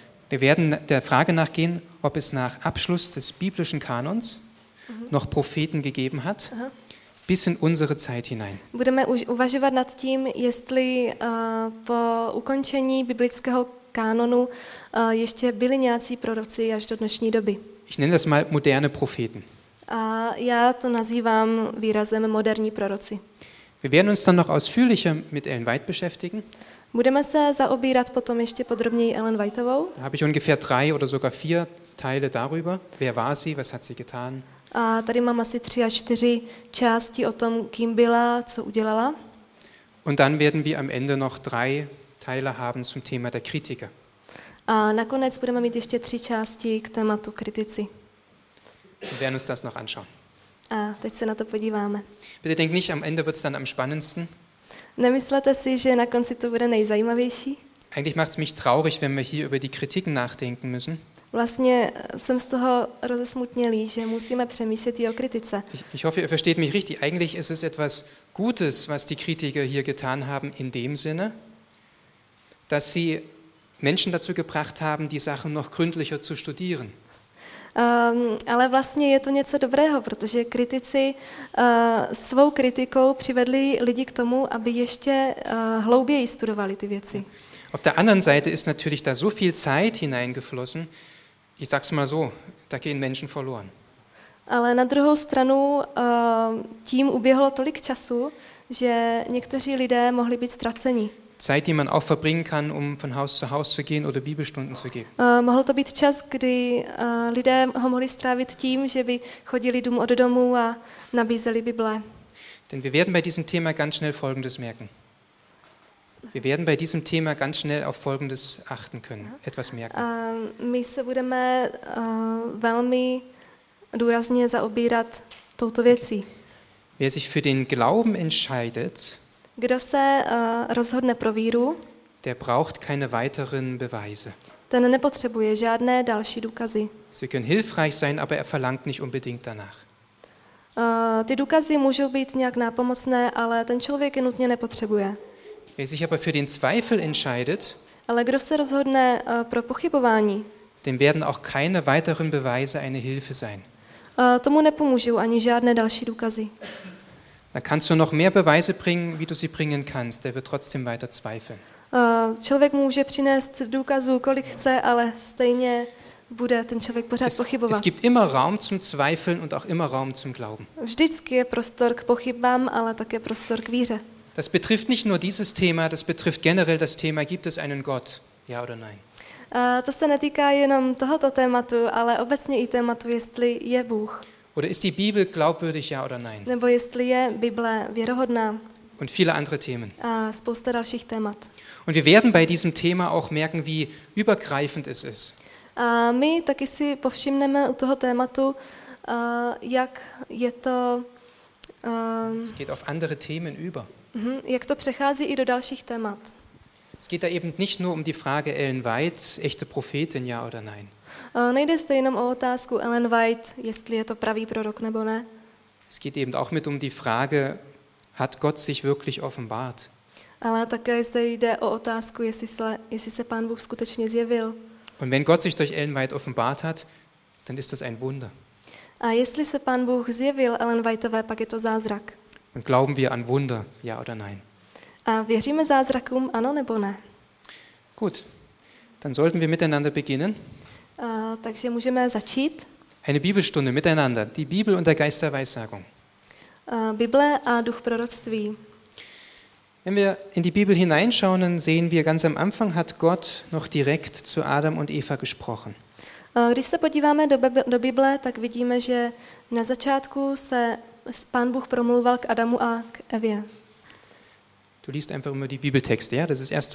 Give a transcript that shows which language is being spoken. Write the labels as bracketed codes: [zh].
[de] Wir werden der Frage nachgehen, ob es nach Abschluss des biblischen Kanons noch Propheten gegeben hat, bis in unsere Zeit hinein. [cs] Budeme uvažovat nad tím, jestli po ukončení biblického kánonu ještě byli nějací proroci až do dnešní doby. [de] Ich nenne das mal moderne Propheten. [cs] A já to nazývám výrazem moderní proroci. [de] Wir werden uns dann noch ausführlicher mit Ellen White beschäftigen. [cs] Budeme se zaobírat potom ještě podrobněji Ellen Whiteovou. [de] Da habe ich ungefähr 3 oder sogar 4 Teile darüber. Wer war sie? Was hat sie getan? [cs] A tady mám asi 3 až 4 části o tom, kým byla, co udělala. [de] Und dann werden wir am Ende noch 3 Teile haben zum Thema der Kritiker. [cs] A nakonec budeme mít ještě 3 části k tématu kritici. [de] Wir werden uns das noch anschauen. [cs] A teď se na to podíváme. [de] Bitte denk nicht, am Ende wird es dann am spannendsten. [cs] Nemyslete si, že na konci to bude nejzajímavější? [de] Eigentlich macht's mich traurig, wenn wir hier über die Kritiken nachdenken müssen. [cs] Vlastně jsem z toho rozesmutnělý, že musíme přemýšlet i o kritice. [de] Ich hoffe, ihr versteht mich richtig. Eigentlich ist es etwas Gutes, was die Kritiker hier getan haben, in dem Sinne, dass sie Menschen dazu gebracht haben, die Sachen noch gründlicher zu studieren. [cs] Ale vlastně je to něco dobrého, protože kritici svou kritikou přivedli lidi k tomu, aby ještě hlouběji studovali ty věci. [de] Auf der anderen Seite ist natürlich da so viel Zeit hineingeflossen. Ich sag's mal so, da gehen Menschen verloren. [cs] Ale na druhou stranu tím uběhlo tolik času, že někteří lidé mohli být ztraceni. [de] Zeit, die man auch verbringen kann, um von Haus zu gehen oder Bibelstunden zu geben. [cs] Mohl to být čas, kdy lidé ho mohli strávit tím, že by chodili dům od domu a nabízeli Bible. [de] Denn wir werden bei diesem Thema ganz schnell Folgendes merken. Wir werden bei diesem Thema ganz schnell auf Folgendes achten können, etwas merken. [cs] My se budeme velmi důrazně zaobírat touto věcí. [de] Wer sich für den Glauben entscheidet, [cs] kdo se rozhodne pro víru, [de] der braucht keine weiteren Beweise. [cs] Ten nepotřebuje žádné další důkazy. [de] Sie können hilfreich sein, aber er verlangt nicht unbedingt danach. [cs] Ty důkazy můžou být nějak nápomocné, ale ten člověk je nutně nepotřebuje. [de] Wer sich aber für den Zweifel entscheidet, [cs] ale kdo se rozhodne pro pochybování, [de] dem werden auch keine weiteren Beweise eine Hilfe sein. [cs] Tomu nepomůžou ani žádné další důkazy. [de] Da kannst du noch mehr Beweise bringen, wie du sie bringen kannst, der wird trotzdem weiter zweifeln. [cs] Člověk může přinést důkazů, kolik chce, ale stejně bude ten člověk pořád pochybovat. [de] Es gibt immer Raum zum Zweifeln und auch immer Raum zum Glauben. [cs] Vždycky je prostor k pochybám, ale také prostor k víře. [de] Das betrifft nicht nur dieses Thema, das betrifft generell das Thema, gibt es einen Gott, ja oder nein? [cs] To se netýká jenom tohoto tématu, ale obecně i tématu, jestli je Bůh. [de] Oder ist die Bibel glaubwürdig, ja oder nein? [cs] Nebo jestli je Bible věrohodná. [de] Und viele andere Themen. [cs] A spousta dalších témat. [de] Und wir werden bei diesem Thema auch merken, wie übergreifend es ist. [cs] A my taky si povšimneme u toho tématu, jak je to... [de] Es geht auf andere Themen über. [cs] Jak to přechází i do dalších témat. [de] Es geht da eben nicht nur um die Frage Ellen White, echte Prophetin, ja oder nein. [cs] Nejde zde jenom o otázku Ellen White, jestli je to pravý prorok nebo ne. [de] Es geht eben auch mit um die Frage, hat Gott sich wirklich offenbart? [cs] Ale také zde jde o otázku, jestli se Pán Bůh skutečně zjevil. [de] Und wenn Gott sich durch Ellen White offenbart hat, dann ist das ein Wunder. [cs] A jestli se Pán Bůh zjevil Ellen Whiteové, pak je to zázrak. [de] Und glauben wir an Wunder, ja oder nein? [cs] A věříme zázrakům, ano nebo ne? [de] Gut, dann sollten wir miteinander beginnen. [cs] Takže můžeme začít. [de] Eine Bibelstunde miteinander, die Bibel und der Geist der Weissagung. [cs] Bible a duch proroctví. [de] Wenn wir in die Bibel hineinschauen, dann sehen wir, ganz am Anfang hat Gott noch direkt zu Adam und Eva gesprochen. [cs] Když se podíváme do Bible, tak vidíme, že na začátku se Pán Bůh promluval k Adamu a k Evě. [de] Du liest einfach immer die Bibeltexte, ja? Das ist 1.